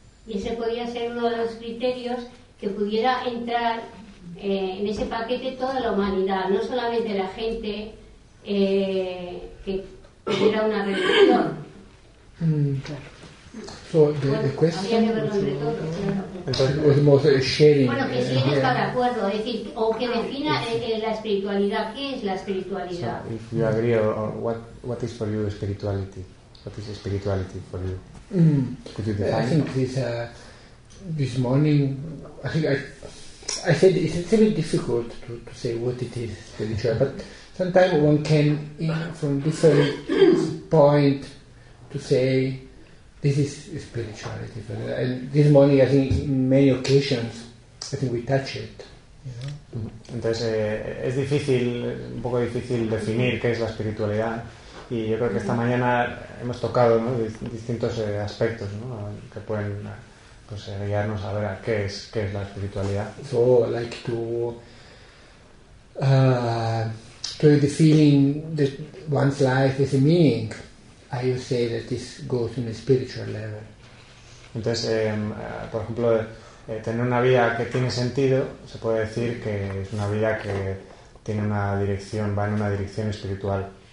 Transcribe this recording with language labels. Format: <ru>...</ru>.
<es>Y ese podría ser uno de los criterios que pudiera entrar en ese paquete toda la humanidad, no solamente la gente que era una reflexión. Claro. So, bueno,</es> <en>the question.</en> <es>Había que verlo entre todos. Bueno, que si él está de acuerdo, es decir, o que defina la espiritualidad. ¿Qué es la espiritualidad?</es> <en>So, if you agree, or what is for you spirituality? What is spirituality for you? Could you define? I think this morning, I said it's a bit difficult to say what it is spiritual, but. Sometimes one can, from different point, to say, this is spirituality. And this morning, I think, in many occasions, I think we touch it.</en> <es>Entonces, es difícil, un poco difícil definir qué es la espiritualidad. Y yo creo que esta mañana hemos tocado, ¿no?, distintos aspectos, ¿no?, que pueden guiarnos a ver a qué es la espiritualidad.</es> <en>So, I like to... the feeling that one's life is a meaning, I would say that this goes in a spiritual level.</en> <es>Entonces, por ejemplo, tener una vida que tiene sentido, se puede decir que es una vida que tiene una dirección, va en una dirección espiritual.</es>